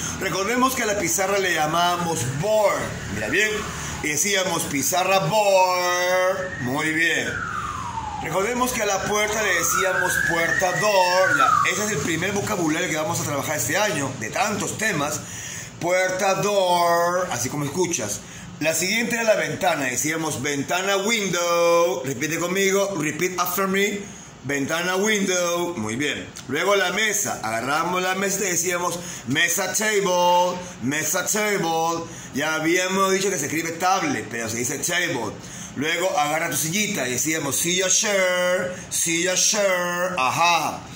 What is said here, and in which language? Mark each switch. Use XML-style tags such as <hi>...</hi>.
<es>Recordemos que a la pizarra le llamábamos board, mira bien, y decíamos pizarra board, muy bien. Recordemos que a la puerta le decíamos puerta door, ¿ya? Ese es el primer vocabulario que vamos a trabajar este año, de tantos temas. Puerta, door, así como escuchas. La siguiente era la ventana, decíamos ventana, window. Repite conmigo,</es> <en>repeat after me.</en> <es>Ventana, window, muy bien. Luego la mesa, agarramos la mesa y decíamos mesa, table, mesa, table. Ya habíamos dicho que se escribe table, pero se dice table. Luego agarra tu sillita y decíamos silla, chair, ajá.</es>